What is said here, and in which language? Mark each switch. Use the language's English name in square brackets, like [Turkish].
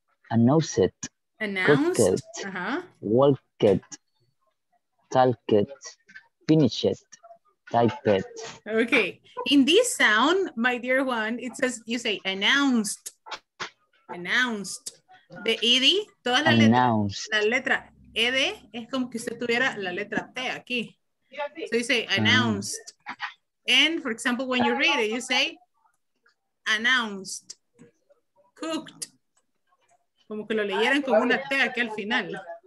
[English] Announced. Announced. Uh-huh. Walked. Talked. Finished. Typed. Okay. In this sound, my dear Juan, it says you say announced. Announced. The ed. [Spanish] Toda la [English] announced. [Spanish] Letra. La letra ed es como que usted tuviera la letra t aquí. [English] So you say announced. And for example, when you read it, you say announced, cooked, [Spanish] Como que lo leyeran con una T aquí al final.